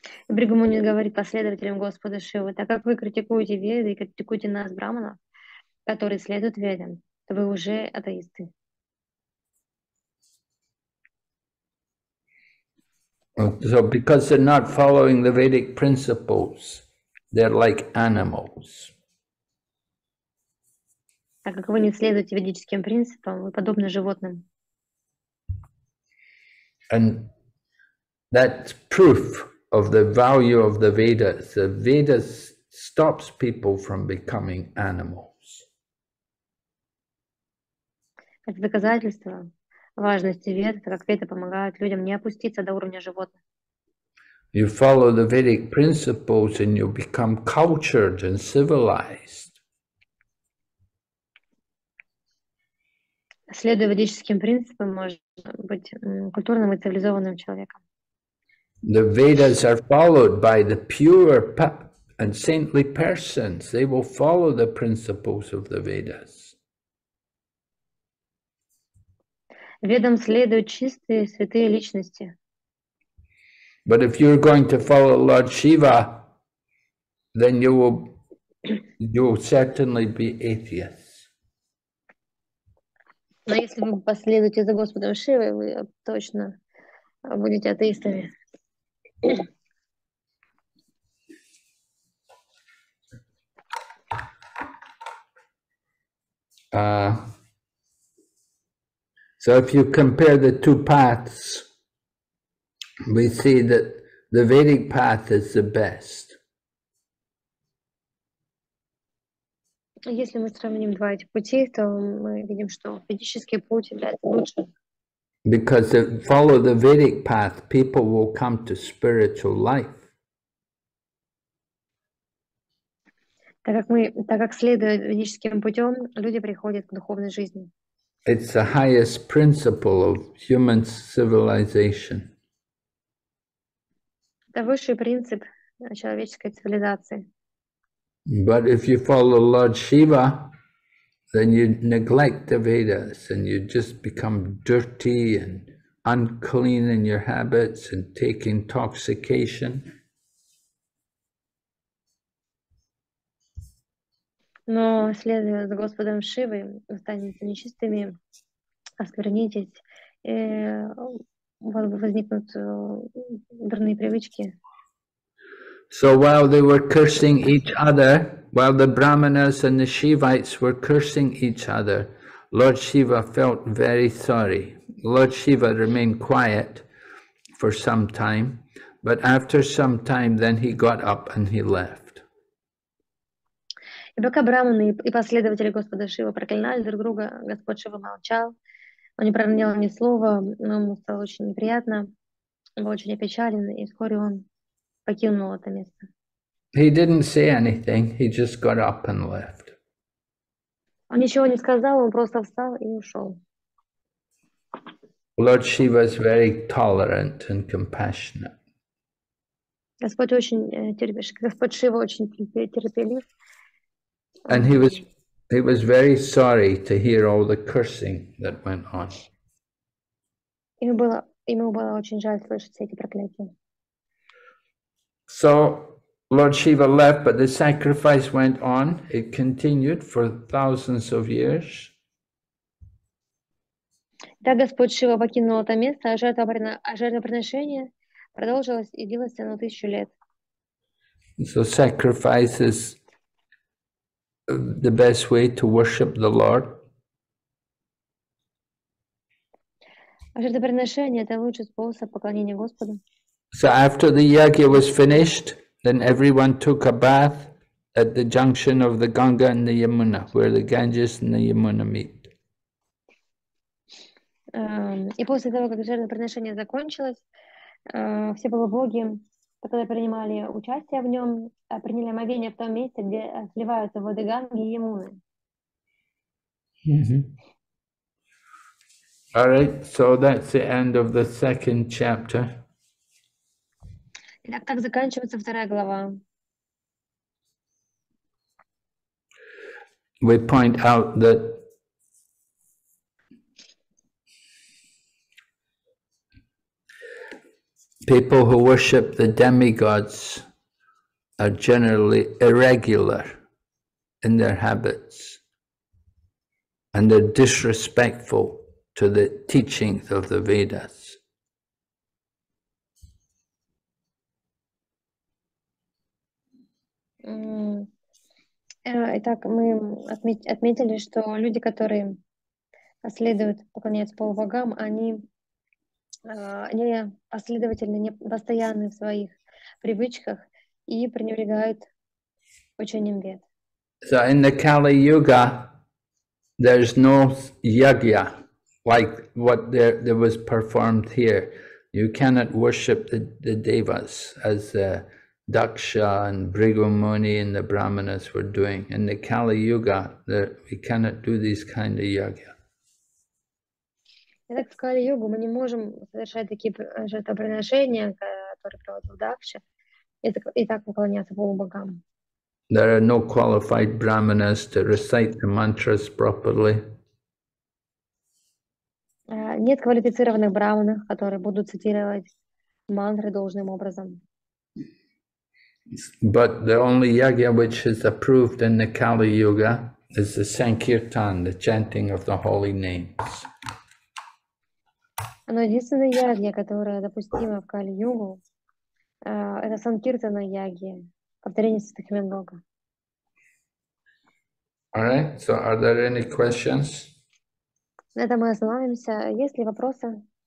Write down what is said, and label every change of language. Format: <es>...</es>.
<ru>Бhrigu Muni говорит последователям Господа Шивы, так как вы критикуете Веды и критикуете нас, Брахманов, которые следуют Ведам, то вы уже атеисты.</ru> <en>So, because they're not following the Vedic principles, they're like animals.</en> <ru>Так как вы не следуете ведическим принципам, вы подобны животным.</ru> <en>And that's proof of the value of the Vedas. The Vedas stops people from becoming animals.</en> <ru>Это доказательство важности веды, как веды помогают людям не опуститься до уровня животных.</ru> <en>You follow the Vedic principles and you become cultured and civilized.</en> <ru>Следуя ведическим принципам, можно быть культурным и цивилизованным человеком.</ru> <en>The Vedas are followed by the pure and saintly persons. They will follow the principles of the Vedas.</en> <ru>Ведам следуют чистые святые личности.</ru> <en>But if you're going to follow Lord Shiva, then you will certainly be atheist.</en> <ru>Но если вы последуете за Господом Шивой, вы точно будете атеистами.</ru> <en>So if you compare the two paths, we see that the Vedic path is the best.</en> <ru>Если мы сравним два этих пути, то мы видим, что ведический путь является лучше.</ru> <en>Because if you follow the Vedic path, people will come to spiritual life.</en> <ru>Так как следуя ведическим путем, люди приходят к духовной жизни.</ru> <en>It's the highest principle of human civilization.</en> <ru>Это высший принцип человеческой цивилизации.</ru> <en>But if you follow Lord Shiva, then you neglect the Vedas and you just become dirty and unclean in your habits and take intoxication.</en> <ru>Но следуя за Господом Шивой, вы станете нечистыми, осквернитесь, и у вас возникнут дурные привычки.</ru> <en>So while they were cursing each other, while the Brahmanas and the Shivites were cursing each other, Lord Shiva felt very sorry. Lord Shiva remained quiet for some time, but after some time, then he got up and he left.</en> <ru>И пока Брахманы и последователи Господа Шивы проклинали друг друга, Господь Шива молчал, он не проронил ни слова, но ему стало очень неприятно, он был очень опечален, и вскоре он покинул это место.</ru> <en>He didn't say anything, he just got up and left.</en> <ru>Он ничего не сказал, он просто встал и ушел.</ru> <en>Lord Shiva is very tolerant and compassionate.</en> <ru>Господь очень терпеливый. Господь Шива очень терпелив.</ru> <en>And he was very sorry to hear all the cursing that went on.</en> <ru>Ему было очень жаль слышать все эти проклятия.</ru> <en>So Lord Shiva left, but the sacrifice went on. It continued for thousands of years.</en> <ru>Да, Господь Шива покинул это место, а жертвоприношение продолжилось и длилось оно 1000 лет.</ru> <en>So sacrifice is the best way to worship the Lord.</en> <ru>А жертвоприношение — это лучший способ поклонения Господу.</ru> <en>So after the yagya was finished, then everyone took a bath at the junction of the Ganga and the Yamuna, where the Ganges and the Yamuna meet.</en> <ru>И после того, как жертвоприношение закончилось, все полубоги, которые принимали участие в нем, приняли омовение в том месте, где сливаются воды Ганги и Ямуны. Mm-hmm.</ru> <en>All right, so that's the end of the second chapter.</en> <ru>Итак, так заканчивается вторая глава.</ru> <en>We point out that people who worship the demigods are generally irregular in their habits and they're disrespectful to the teachings of the Vedas.</en> <ru>Итак, мы отметили, что люди, которые следуют, поклоняются полубогам, они не последовательны, не постоянны в своих привычках и пренебрегают учением Вед.</ru> <en>So in the Kali Yuga there's no yagya like what there was performed here. You cannot worship the devas as Daksha and Bhrigu Muni and the Brahmanas were doing. In the Kali Yuga, we cannot do these kind of yagya.</en> <ru>Итак, в Кали-йогу мы не можем совершать такие жертвоприношения, которые проводил Дакша, и так поклоняться полубогам.</ru> <en>There are no qualified brahmanas to recite the mantras properly.</en> <ru>Нет квалифицированных брахманов, которые будут цитировать мантры должным образом.</ru> <en>But the only yagya which is approved in the Kali-yuga is the Sankirtan, the chanting of the holy names.</en> <ru>Но единственная ягья, которая допустима в Кали-югу, это санкиртана ягья, повторение святых имен Бога.</ru> <en>All right, so are there any questions?</en> <ru>На этом мы остановимся. Есть ли вопросы?</ru>